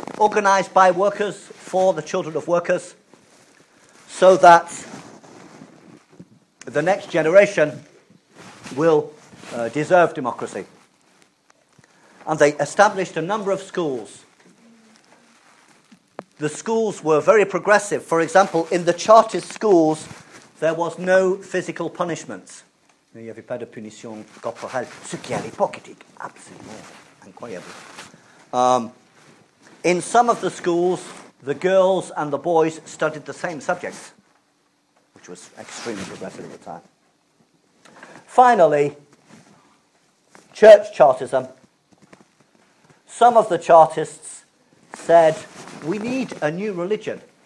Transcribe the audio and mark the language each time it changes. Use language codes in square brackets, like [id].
[en] organized by workers for the children of workers, so that the next generation will deserve democracy. And they established a number of schools. The schools were very progressive. For example, in the Chartist schools, there was no physical punishment. [fr] Il n'y avait pas de punition corporelle, ce qui à l'époque était absolument incroyable. [en] In some of the schools, the girls and the boys studied the same subjects, which was extremely progressive at the time. Finally, church Chartism. Some of the Chartists said, we need a new religion.